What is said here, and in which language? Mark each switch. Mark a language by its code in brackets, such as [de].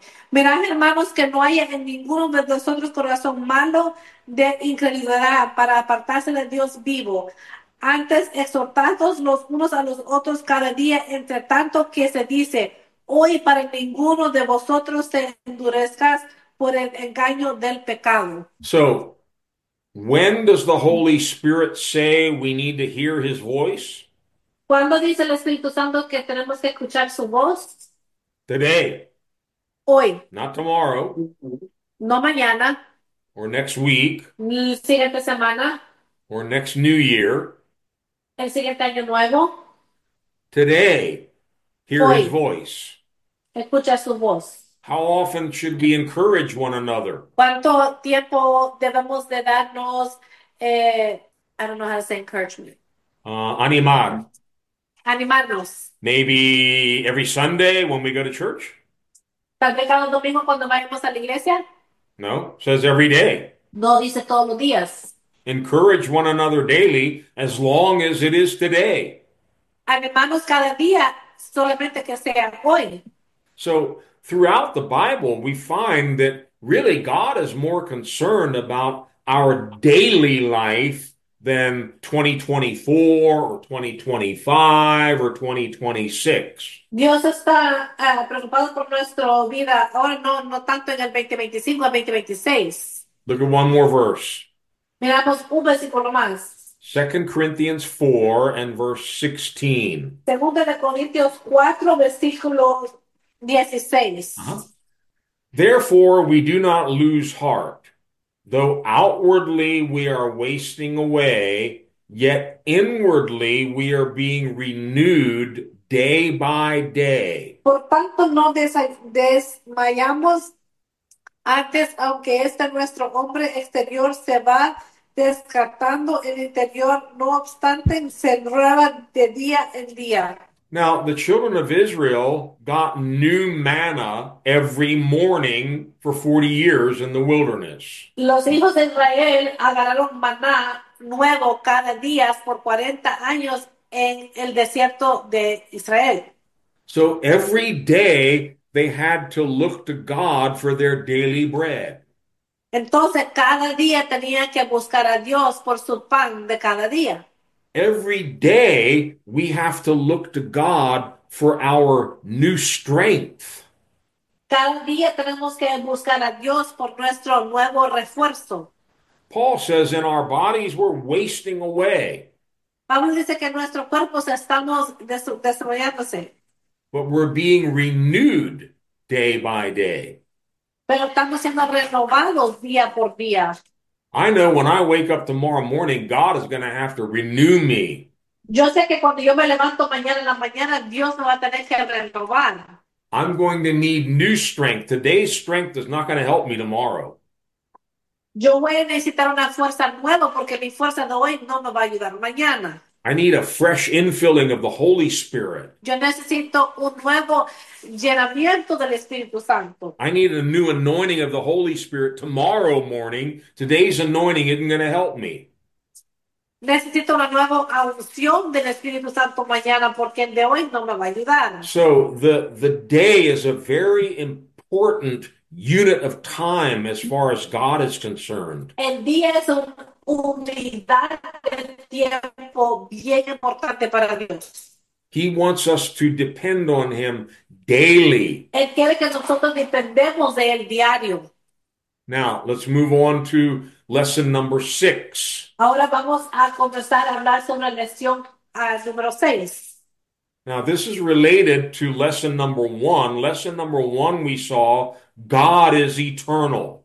[es] Mirad, hermanos, que no haya en ninguno de vosotros corazón malo de incredulidad para apartarse de Dios vivo. Antes, exhortados los unos a los otros cada día, entre tanto que se dice, hoy para ninguno de vosotros se endurezcas por el engaño del pecado. [en] So, when does the Holy Spirit say we need to hear his voice? [es] ¿Cuándo dice el Espíritu Santo que tenemos que escuchar su voz? [en] Today, [es] Hoy, [en] not tomorrow, [es] no mañana, [en] or next week, [es] la siguiente semana, [en] or next new year. [es] el siguiente año nuevo, [en] Today, hear his [es] hoy, [en] voice. [es] escucha su voz. [en] How often should we encourage one another? [es] ¿Cuánto tiempo debemos de darnos, [en] I don't know how to say encouragement, [es] Animar. animarnos? [en] Maybe every Sunday when we go to church? [es] ¿Tal vez cada domingo cuando vayamos a la iglesia? [en] No, says every day. [es] No dice todos los días. [en] Encourage one another daily as long as it is today. [es] Animamos cada día, solamente que sea hoy. [en] So throughout the Bible, we find that really God is more concerned about our daily life than 2024 or 2025 or 2026. [es] Dios está preocupado por nuestra vida ahora, no tanto en el 2025 al 2026. [en] Look at one more verse. [es] Miramos un versículo más. [en] 2 Corinthians 4 and verse 16. [es] Segunda de Corintios 4, versículo 16. [en] Therefore, we do not lose heart. Though outwardly we are wasting away, yet inwardly we are being renewed day by day. [es] Por tanto, no desmayamos antes, aunque este nuestro hombre exterior se va descartando, el interior, no obstante, se renueva de día en día. [en] Now, the children of Israel got new manna every morning for 40 years in the wilderness. [es] Los hijos de Israel agarraron maná nuevo cada día por 40 años en el desierto de Israel. [en] So every day they had to look to God for their daily bread. [es] Entonces, cada día tenía que buscar a Dios por su pan de cada día. [en] Every day we have to look to God for our new strength. [es] Cada día tenemos que buscar a Dios por nuestro nuevo refuerzo. [en] Paul says, in our bodies we're wasting away. [es] Pablo dice que nuestros cuerpos estamos desarrollándose. [en] But we're being renewed day by day. [es] Pero estamos siendo renovados día por día. [en] I know when I wake up tomorrow morning, God is going to have to renew me. [es] Yo sé que cuando yo me levanto mañana en la mañana, Dios me va a tener que renovar. [en] I'm going to need new strength. Today's strength is not going to help me tomorrow. [es] Yo voy a necesitar una fuerza nueva porque mi fuerza de hoy no me va a ayudar mañana. [en] I need a fresh infilling of the Holy Spirit. [es] Yo necesito un nuevo llenamiento del Espíritu Santo. [en] I need a new anointing of the Holy Spirit tomorrow morning. Today's anointing isn't going to help me. [es] Necesito una nueva unción del Espíritu Santo mañana porque el de hoy no me va a ayudar. [en] So the day is a very important unit of time as far as God is concerned. [es] El día es una unidad del tiempo bien importante para Dios. [en] He wants us to depend on him daily. [es] Él quiere que nosotros dependemos de él diario. [en] Now, let's move on to lesson number six. [es] Ahora vamos a comenzar a hablar sobre la lección número 6. [en] Now, this is related to lesson number one. Lesson number one, we saw God is eternal.